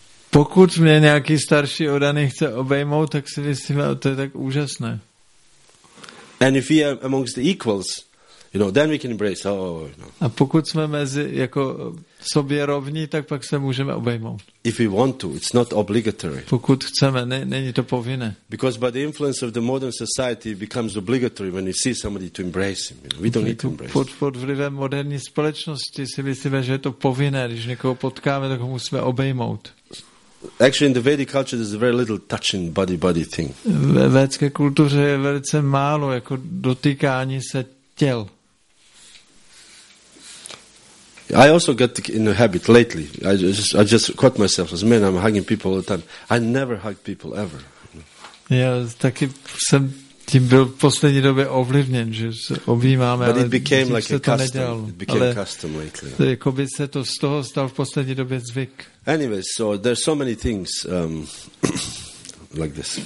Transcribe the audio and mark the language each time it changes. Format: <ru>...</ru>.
<cs>Pokud mě nějaký starší odaný chce obejmout, tak si myslím, to je tak úžasné.</cs> <en>And if we are amongst the equals, you know, then we can embrace. Oh, you know.</en> <cs>A pokud jsme mezi jako sobě rovní, tak pak se můžeme obejmout.</cs> <en>If we want to, it's not obligatory.</en> <cs>Pokud chceme, není to povinné.</cs> <en>Because by the influence of the modern society, it becomes obligatory when you see somebody to embrace him. You know, we don't need to embrace.</en> <cs>Pod vlivem moderní společnosti si myslíme, že je to povinné, když někoho potkáme, tak ho musíme obejmout.</cs> <en>Actually, in the Vedic culture, there's very little touching body thing.</en> <cs>Ve védské kultuře je velice málo jako dotýkání se těl.</cs> <en>I also got in a habit lately. I just caught myself as man. I'm hugging people all the time. I never hug people ever.</en> <cs>Já taky jsem tím byl v poslední době ovlivněn, že se objímáme,</cs> <en>but it became</en> <cs>ale</cs> <en>like</en> <cs>se</cs> <en>a custom.</en> <cs>Nedělalo.</cs> <en>It became a custom lately.</en> <cs>Jako by se to z toho stal v poslední době zvyk.</cs> <en>Anyway, so there's so many things like this.</en>